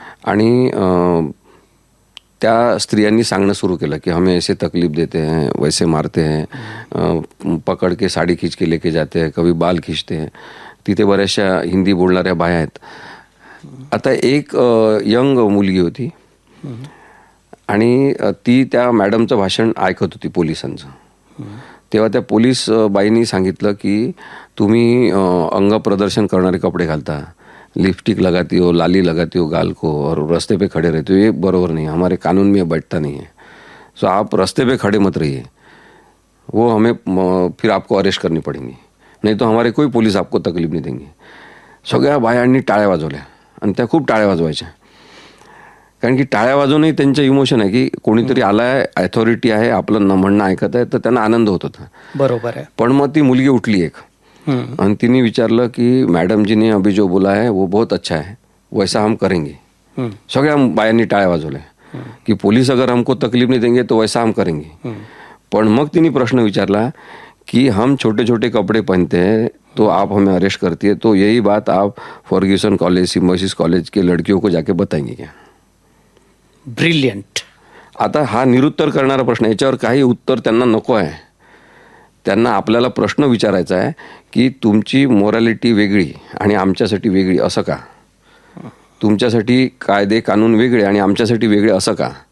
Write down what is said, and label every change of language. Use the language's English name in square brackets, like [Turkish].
[Marathi] आणि त्या स्त्रियांनी सांगणं सुरू केलं की [Hindi] हमें ऐसे तकलीफ देते हैं, वैसे मारते हैं, पकड के साडी खींच के लेके जाते हैं, कभी बाल खींचते हैं. [Marathi] तिथे बऱ्याचशा हिंदी बोलणाऱ्या बाया आहेत. आता एक यंग मुलगी होती आणि ती त्या मॅडमचं भाषण ऐकत होती पोलिसांचं. तेव्हा त्या पोलीस बाईंनी सांगितलं की तुम्ही अंग प्रदर्शन करणारे कपडे घालता, [Hindi] लिपस्टिक लगाती हो, लाली लगाती हो गाल को, और रस्ते पे खडे रहते हो, ये [Marathi] बरोबर नाही, [Hindi] हमारे कानून में बैठता नहीं है. सो आप रस्ते पे खडे मत रहिए, वो हमें फिर आपको अरेस्ट करनी पडेंगी, नाही तो हमारे कोई पोलीस आपको तकलीफ नाही देंगे. [Marathi] सगळ्या बायांनी टाळ्या वाजवल्या आणि त्या खूप टाळ्या वाजवायच्या. कारण की टाळ्या वाजवणे त्यांचं इमोशन आहे की कोणीतरी आलाय, अथॉरिटी आहे, आपलं म्हणणं ऐकत आहे, तर त्यांना आनंद होत होता. बरोबर आहे. पण मग ती मुलगी उठली एक आणि तिने विचारलं की [Hindi] मॅडमजीने अभी जो बोला है वो बहुत अच्छा है, वैसा हम करेंगे. [Marathi] सगळ्या बायांनी टाळ्या वाजवल्या की [Hindi] पोलीस अगर हमको तकलीफ नाही देंगे तो वैसा हम करेंगे. [Marathi] पण मग तिने प्रश्न विचारला की [Hindi] हम छोटे छोटे कपडे पहनते हैं तो आप हमें अरेस्ट करती है, तो यही बात आप फर्ग्युसन कॉलेज, सिम्बायोसिस कॉलेज के लड़कियों को जाके बताएंगे क्या? [English] Brilliant. [Marathi] आता हा निरुत्तर करणारा प्रश्न, याच्यावर काही उत्तर त्यांना नको आहे. त्यांना आपल्याला प्रश्न विचारायचा आहे की तुमची मॉरॅलिटी वेगळी आणि आमच्यासाठी वेगळी असं का? तुमच्यासाठी कायदे कानून वेगळे आणि आमच्यासाठी वेगळे असं का?